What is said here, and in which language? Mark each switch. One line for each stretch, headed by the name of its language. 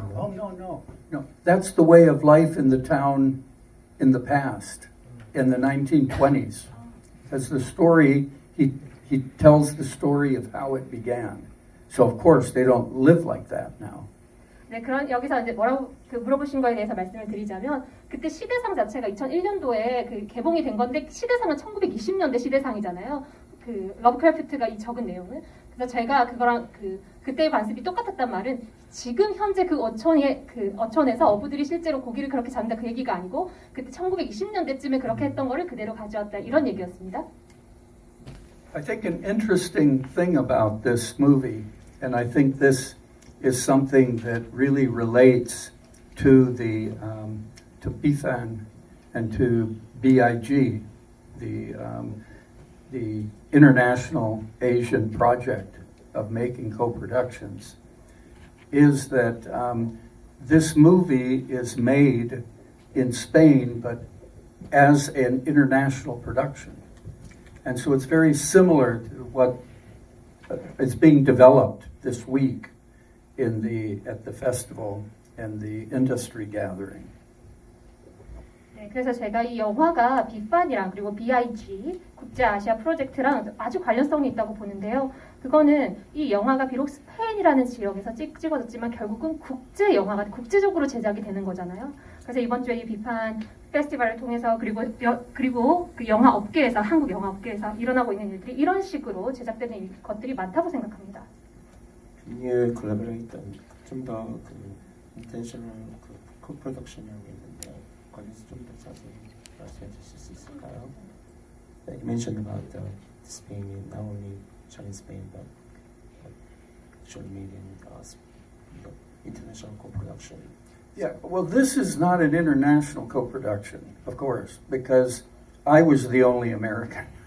English: Oh no no no, that's the way of life in the town in the past, in the 1920s. As the story, he tells the story of how it began. So of course they don't live like that now.
Korean: 네, 그런 여기서 이제 물어보신 거에 대해서 말씀을 드리자면 그때 시대상 자체가 2001년도에 그 개봉이 된 건데 시대상은 1920년대 시대상이잖아요. 그 러브크래프트가 이 적은 내용은 그래서 제가 그거랑 그때의 관습이 똑같았단 말은 지금 현재 그 어촌에 그 어촌에서 어부들이 실제로 고기를 그렇게 잡는다 그 얘기가 아니고 그때 1920년대쯤에 그렇게 했던 거를 그대로 가져왔다 이런 얘기였습니다.
English: I think an interesting thing about this movie, and I think this is something that really relates to the to Bifan and to BIG, the International Asian Project of making co-productions, is that this movie is made in Spain, but as an international production. And so it's very similar to what is being developed this week in the at the festival and the industry gathering.
Korean: 네, 그래서 제가 이 영화가 빅판이랑 그리고 BIG 국제 아시아 프로젝트랑 아주 관련성이 있다고 보는데요. 그거는 이 영화가 비록 스페인이라는 지역에서 찍어졌지만 결국은 국제 영화가 국제적으로 제작이 되는 거잖아요. 그래서 이번 주에 이 빅판 페스티벌을 통해서 그리고 그 영화 업계에서 한국 영화 업계에서 일어나고 있는 일들이 이런 식으로 제작되는 것들이 많다고 생각합니다. 예, 콜라보레이션 좀 더 그 인텐셔널 그 코프로덕션이라고 있는데 관련해서 좀 더 자세히 말씀해 주실 수 있을까요?
English: You mentioned about the Spain, not only Chinese Spain, but short medium international co-production. Yeah, well, this is not an international co-production, of course, because I was the only American.